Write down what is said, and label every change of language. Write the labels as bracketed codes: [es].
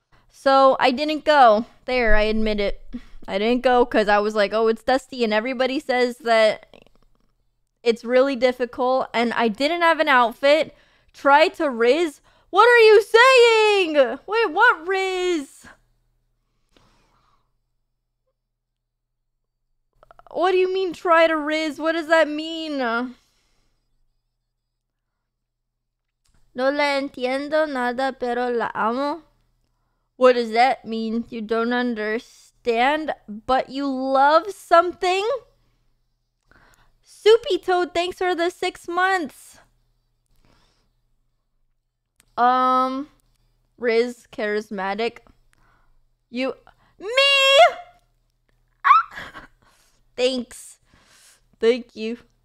[en] So, I didn't go. There, I admit it. I didn't go because I was like, oh, it's dusty, and everybody says that it's really difficult, and I didn't have an outfit. Try to Riz. What are you saying? Wait, what Riz? What do you mean, try to Riz? What does that mean? [es] No la entiendo nada, pero la amo. [en] What does that mean? You don't understand, but you love something? Soupy Toad, thanks for the 6 months. Riz, charismatic. You, me! Ah! Thanks. Thank you.